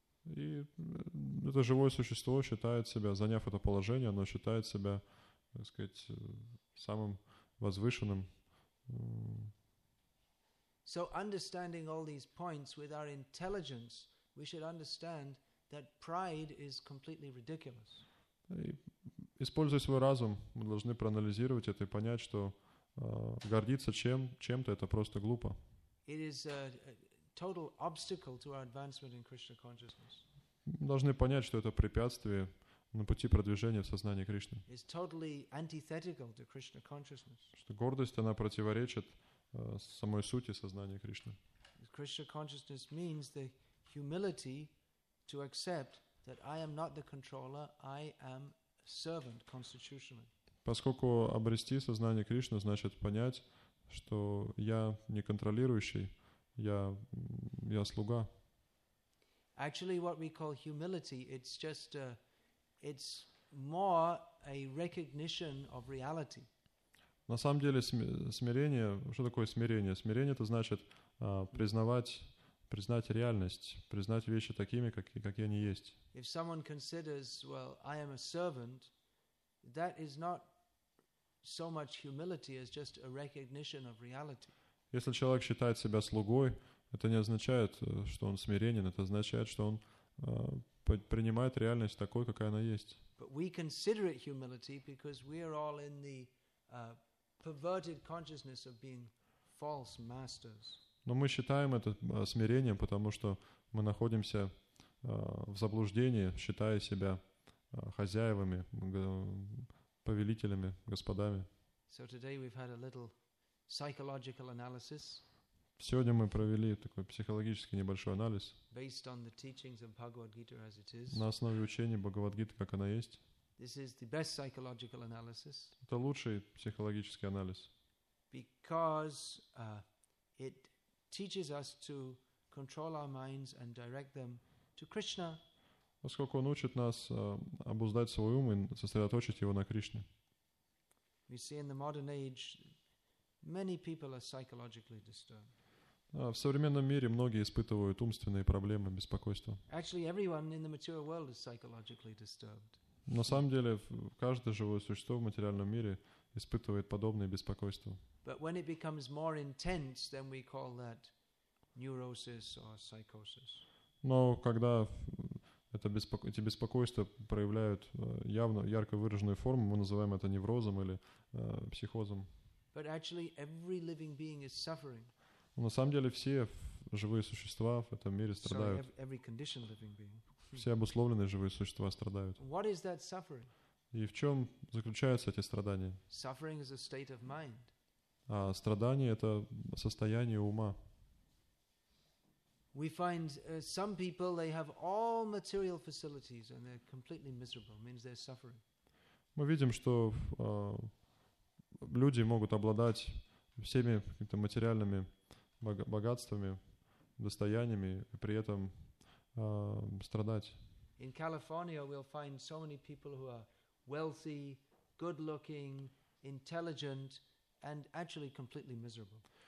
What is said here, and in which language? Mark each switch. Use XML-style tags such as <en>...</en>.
<ru>И это живое существо считает себя, заняв это положение, оно считает себя так сказать, самым возвышенным.</ru> <en>So understanding all these points with our intelligence, we should understand that pride is completely ridiculous.</en> <ru>Используя свой разум, мы должны проанализировать это и понять, что гордиться чем-то это просто глупо.</ru> <en>It is a total obstacle to our advancement in Krishna consciousness.</en> <ru>Мы должны понять, что это препятствие на пути продвижения в сознании Кришны.</ru> <en>It's totally antithetical to Krishna consciousness.</en> <ru>Что гордость, она противоречит самой сути сознания Кришны.</ru> <en>Krishna consciousness means the humility to accept that I am not the controller, I am servant constitutionally.</en> <ru>Поскольку обрести сознание Кришны значит понять, что я не контролирующий, я слуга.</ru> <en>Actually, what we call humility, it's just it's more a recognition of reality.</en> <ru>На самом деле смирение, что такое смирение? Смирение — это значит признать реальность, признать вещи такими, какие они есть.</ru> <en>If someone considers, well, I am a servant, that is not so much humility as just a recognition of reality.</en> <ru>Если человек считает себя слугой, это не означает, что он смиренен, это означает, что он принимает реальность такой, какая она есть.</ru> <en>But we consider it humility because we are all in the perverted consciousness of being false masters.</en> <ru>Но мы считаем это смирением, потому что мы находимся в заблуждении, считая себя хозяевами, повелителями, господами.</ru> <en>So today we've had a little psychological analysis.</en> <ru>Сегодня мы провели такой психологический небольшой анализ</ru> <en>based on the teachings of Bhagavad-gita as it is.</en> <ru>На основе учения Бхагавад-гиты, как она есть.</ru> <en>This is the best psychological analysis.</en> <ru>Это лучший психологический анализ.</ru> <en>Because it teaches us to control our minds and direct them to Krishna.</en> <ru>Поскольку он учит нас обуздать свой ум и сосредоточить его на Кришне.</ru> <en>We see in the modern age many people are psychologically disturbed.</en> <ru>В современном мире многие испытывают умственные проблемы, беспокойство.</ru> <en>Actually, everyone in the material world is psychologically disturbed.</en> <ru>На самом деле, каждое живое существо в материальном мире испытывает подобные беспокойства.</ru> <en>But when it becomes more intense, then we call that neurosis or psychosis.</en> <ru>Но когда эти беспокойства проявляют явно ярко выраженную форму, мы называем это неврозом или психозом.</ru> <en>But actually, every living being is suffering.</en> <ru>На самом деле, все живые существа в этом мире страдают.</ru> <en>Every conditioned living being.</en> <ru>Все обусловленные живые существа страдают.</ru> <en>What is that suffering?</en> <ru>И в чем заключаются эти страдания?</ru> <en>Suffering is a state of mind.</en> <ru>А страдание — это состояние ума.</ru> <en>We find some people, they have all material facilities and they're completely miserable. It means they're suffering.</en> <ru>Мы видим, что люди могут обладать всеми какими-то материальными богатствами, достояниями, и при этом страдать.</ru> <en>In California we'll find so many people who are wealthy, good looking, intelligent, and actually completely miserable.</en>